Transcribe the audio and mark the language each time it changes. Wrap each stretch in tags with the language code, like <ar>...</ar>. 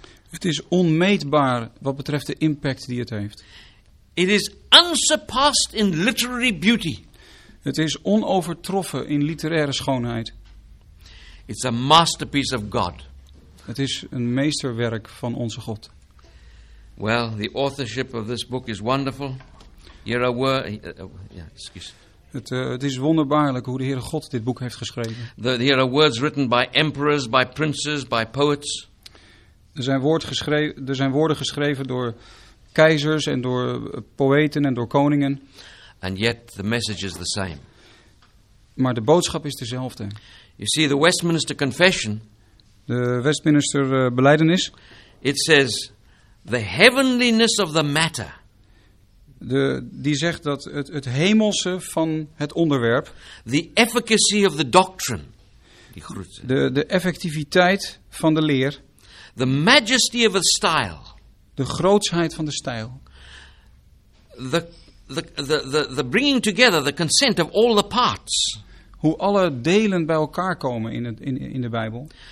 <nl>Het is onmeetbaar wat betreft de impact die het heeft.</nl> <en>It is unsurpassed in literary beauty.</en> <nl>Het is onovertroffen in literaire schoonheid.</nl> <en>It's a masterpiece of God.</en> <nl>Het is een meesterwerk van onze God.</nl> <en>Well, the authorship of this book is wonderful. Here are excuse.</en> <nl>Het is wonderbaarlijk hoe de Heere God dit boek heeft geschreven.</nl> <en>Here are words written by emperors, by princes, by poets.</en> <nl>Er zijn woorden geschreven door keizers en door poëten en door koningen.</nl> <en>And yet the message is the same.</en> <nl>Maar de boodschap is dezelfde.</nl> <en>You see the Westminster Confession.</en> <nl>De Westminster belijdenis.</nl> <en>It says the heavenliness of the matter.</en> <nl>Die zegt dat het hemelse van het onderwerp.</nl> <en>The efficacy of the doctrine.</en> <nl>Die groet. De effectiviteit van de leer.</nl> <en>The majesty of the style.</en> <nl>De grootsheid van de stijl.</nl> <en>The bringing together the consent of all the parts.</en> <nl>Hoe alle delen bij elkaar komen in de Bijbel.</nl>